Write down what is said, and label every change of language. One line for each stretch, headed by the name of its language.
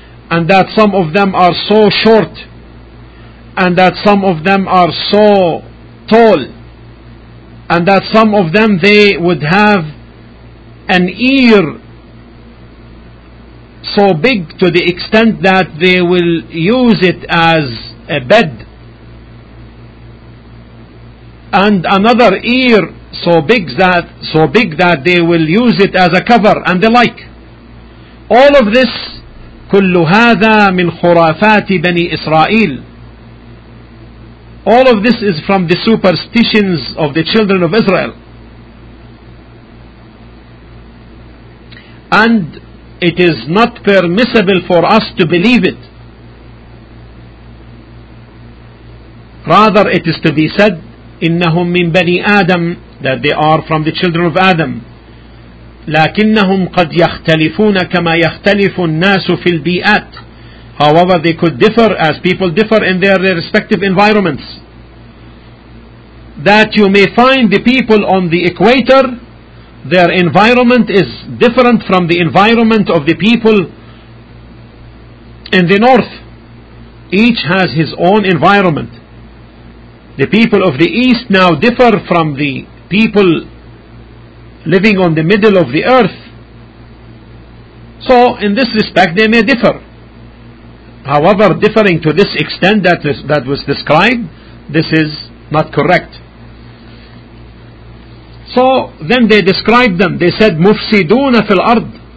English: and that some of them are so short, and that some of them are so tall, and that some of them they would have an ear so big to the extent that they will use it as a bed, and another ear so big that they will use it as a cover, and the like. All of this,
Arabic: كل هذا من خرافات بني إسرائيل.
English: All of this is from the superstitions of the children of Israel. And it is not permissible for us to believe it. Rather, it is to be said,
Arabic: إنهم من بني آدم,
English: that they are from the children of Adam.
Arabic: لكنهم قد يختلفون كما يختلف الناس في البيئات.
English: However, they could differ as people differ in their respective environments. That you may find the people on the equator, their environment is different from the environment of the people in the north. Each has his own environment. The people of the east now differ from the people living on the middle of the earth. So in this respect they may differ. However, differing to this extent that was described, this is not correct. So then they described them. They said,
Arabic: مفسدون في الأرض.